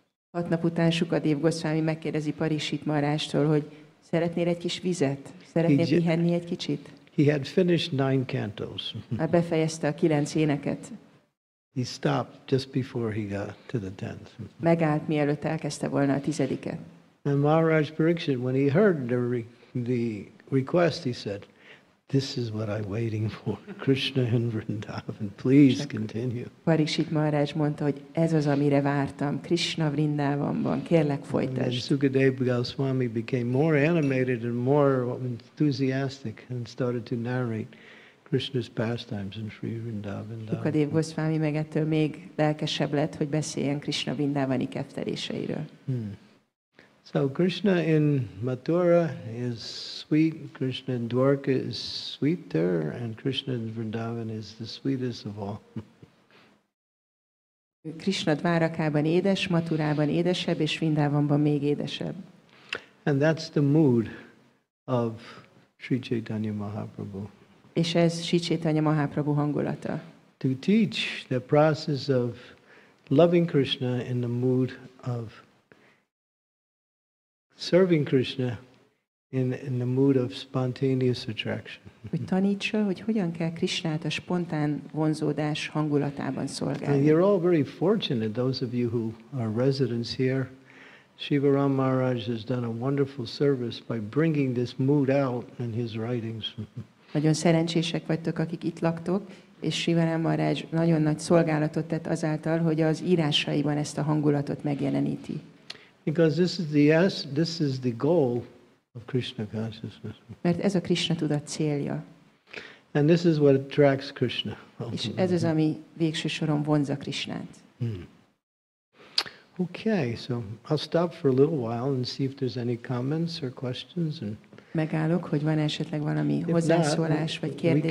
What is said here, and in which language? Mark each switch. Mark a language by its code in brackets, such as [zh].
[hu] 6 nap után Sukadev Goswami megkérdezi Pariksit Maharajtól, hogy szeretnél egy kis vizet? Szeretnél pihenni egy kicsit? [en] He had finished 9 cantos. [hu] Már befejezte a 9 éneket. [en] He stopped just before he got to the 10th. [hu] Megállt, mielőtt elkezdte volna a 10-et. [en] And Maharaj Pariksit, when he heard the request, he said, "This is what I'm waiting for, Krishna in Vrindavan. Please continue." [hu] Pariksit Maharaj mondta, hogy ez az, amire vártam, Krishna Vrindavanban. Kérlek, folytasd. [en] Sukadev Goswami became more animated and more enthusiastic and started to narrate Krishna's pastimes in Sri Vrindavan. [hu] Sukadev Goswami meg ettől még lelkesebb lett, hogy beszéljen Krishna Vrindavani kefteléseiről. [en] So Krishna in Mathura is sweet, Krishna in Dwarka is sweeter, and Krishna in Vrindavan is the sweetest of all. [hu] Krishna Dvarakában édes, Mathurában édesebb, és Vrindavanban még édesebb. [en] And that's the mood of Sri Chaitanya Mahaprabhu. [hu] És ez Sri Chaitanya Mahaprabhu hangulata. [en] To teach the process of loving Krishna in the mood of serving Krishna in the mood of spontaneous attraction. [hu] Hogy tanítsa, hogy hogyan kell Krishnát a spontán vonzódás hangulatában szolgálni. [en] You're all very fortunate, those of you who are residents here. Shivaram Maharaj has done a wonderful service by bringing this mood out in his writings. [hu] Nagyon szerencsések vagytok, akik itt laktok, és Shivaram Maharaj nagyon nagy szolgálatot tett azáltal, hogy az írásaiban ezt a hangulatot megjeleníti. [en] Because this is the goal of Krishna consciousness. [hu] Mert ez a Krishna tudat célja. [en] And this is what attracts Krishna. [hu] És ez az, ami végső soron vonza Krishnát. [en] Okay, so I'll stop for a little while and see if there's any comments or questions. And [hu] megállok, hogy van esetleg valami hozzászólás vagy kérdés.